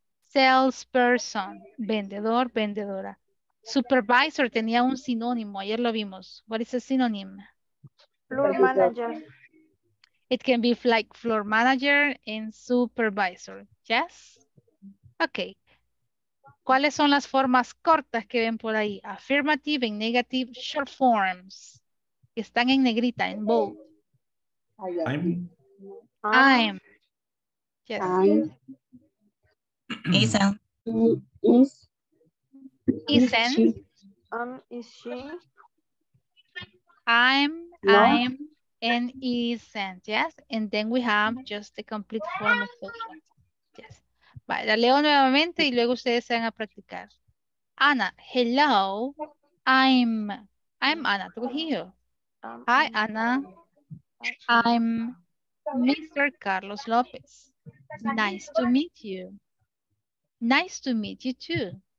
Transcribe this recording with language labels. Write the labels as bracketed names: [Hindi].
[Spanish] Salesperson, vendedor, vendedora. Supervisor tenía un sinónimo, ayer lo vimos. [English] What is a synonym? Floor manager. It can be like floor manager and supervisor. Yes? Okay. [Spanish] ¿Cuáles son las formas cortas que ven por ahí? [English] Affirmative and negative short forms. [Spanish] Están en negrita, en bold. [English] I'm. Yes. Isn't, and isn't, yes, and then we have just the complete form of the yes. [Spanish] Vale, la leo nuevamente y luego ustedes se van a practicar. [English] Ana, hello, I'm Ana Trujillo. Hi, Ana, I'm Mr. Carlos Lopez. Nice to meet you. Nice to meet you too.